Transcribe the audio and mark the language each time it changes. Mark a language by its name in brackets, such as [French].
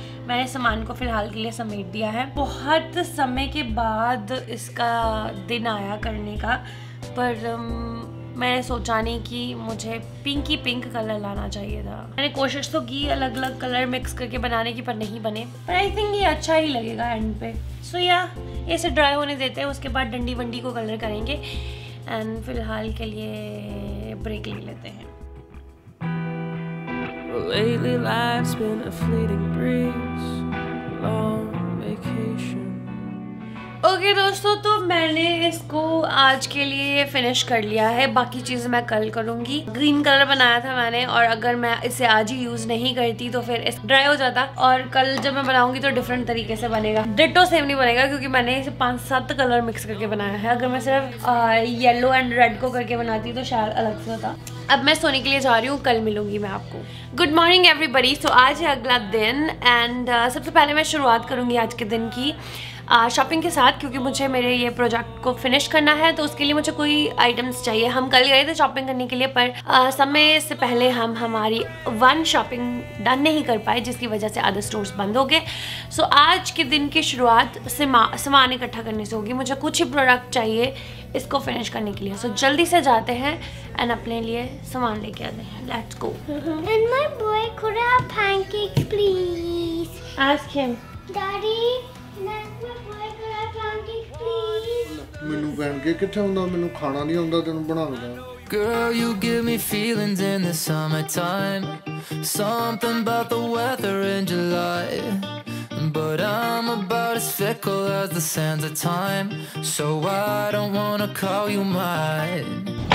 [Hindi] मैंने सामान को फ़िलहाल के लिए समेट दिया है, बहुत समय के बाद इसका दिन आया करने का, पर मैंने सोचा नहीं कि मुझे पिंकी पिंक कलर लाना चाहिए था। मैंने कोशिश तो की अलग अलग कलर मिक्स करके बनाने की, पर नहीं बने, पर आई थिंक ये अच्छा ही लगेगा एंड पे। सो या, इसे ड्राई होने देते हैं, उसके बाद डंडी वंडी को कलर करेंगे एंड फिलहाल के लिए ब्रेक ले लेते हैं। [English] Lately life's been a fleeting breeze, long vacation. [Hindi] Okay, दोस्तों, तो मैंने इसको आज के लिए फिनिश कर लिया है, बाकी चीज़ें मैं कल करूँगी। ग्रीन कलर बनाया था मैंने, और अगर मैं इसे आज ही यूज़ नहीं करती तो फिर इस ड्राई हो जाता, और कल जब मैं बनाऊँगी तो डिफरेंट तरीके से बनेगा, डिटो सेम नहीं बनेगा, क्योंकि मैंने इसे 5-7 कलर मिक्स करके बनाया है। अगर मैं सिर्फ येलो एंड रेड को करके बनाती तो शायद अलग से होता। अब मैं सोने के लिए जा रही हूँ, कल मिलूंगी मैं आपको। [English] good morning everybody, [Hindi] सो आज है अगला दिन एंड सबसे पहले मैं शुरुआत करूँगी आज के दिन की शॉपिंग के साथ, क्योंकि मुझे मेरे ये प्रोजेक्ट को फिनिश करना है, तो उसके लिए मुझे कोई आइटम्स चाहिए। हम कल गए थे शॉपिंग करने के लिए, पर समय से पहले हम हमारी वन शॉपिंग डन नहीं कर पाए, जिसकी वजह से अदर स्टोर्स बंद हो गए। सो आज के दिन की शुरुआत सामान इकट्ठा करने से होगी, मुझे कुछ ही प्रोडक्ट चाहिए इसको फिनिश करने के लिए। सो जल्दी से जाते हैं एंड अपने लिए सामान लेके आते हैं, [English] Let's go. And my boy, could I have pancakes please? Ask him daddy, [Punjabi] ਮੈਨੂੰ ਪੈਨਕੇਕ ਕਿੱਥੇ ਹੁੰਦਾ, ਮੈਨੂੰ ਖਾਣਾ ਨਹੀਂ ਆਉਂਦਾ, ਤੈਨੂੰ ਬਣਾ ਦਿੰਦਾ। [English] Girl, you give me feelings in the summertime, something about the weather in July, but I'm about as fickle as the sands of time, so I don't wanna call you mine.